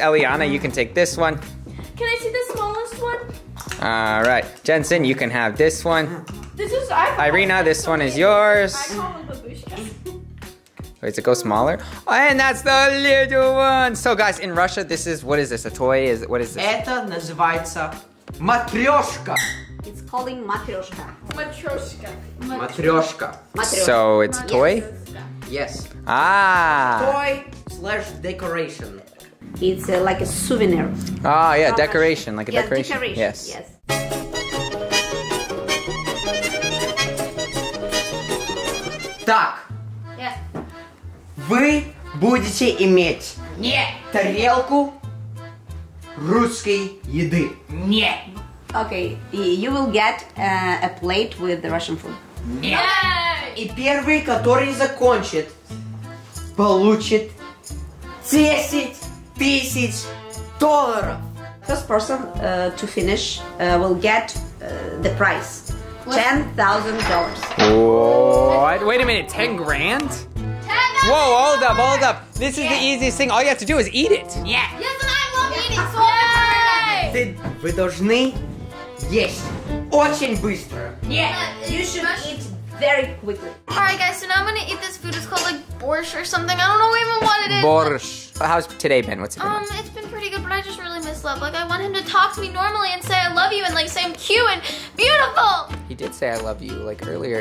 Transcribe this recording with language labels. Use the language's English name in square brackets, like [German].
[English] Eliana, you can take this one. Can I see the smallest one? All right, Jentzen, you can have this one. This is Irina. This one is yours. Wait, does it go smaller? Oh, and that's the little one. So, guys, in Russia, this is, what is this? A toy? Is what is this? [Russian] Это называется матрёшка. [English] It's called матрёшка. [Russian] Матрёшка. [English] So it's a toy? Yes. Ah. Toy / decoration. It's like a souvenir. Ah, yeah, decoration, like a decoration. Decoration. Yes. [Russian] Так. Вы будете иметь тарелку русской еды. Нет. [English] Okay, you will get a plate with the Russian food. [Russian] Нет. И первый, который закончит, получит 10 тысяч долларов. [English] First person to finish will get the prize. $10,000. What? Wait a minute, 10 grand? Whoa, hold up, hold up. This is the easiest thing. All you have to do is eat it. Yeah. Yes, and I love eating, so yay! [Russian] Вы должны есть очень быстро. [English] Yeah, you should eat very quickly. All right, guys, so now I'm gonna eat this food. It's called like borscht or something. I don't know even what it is. Borscht. But... How's today been? What's it been? It's been pretty good, but I just really miss love. Like, I want him to talk to me normally and say I love you and like say I'm cute and beautiful. He did say I love you like earlier.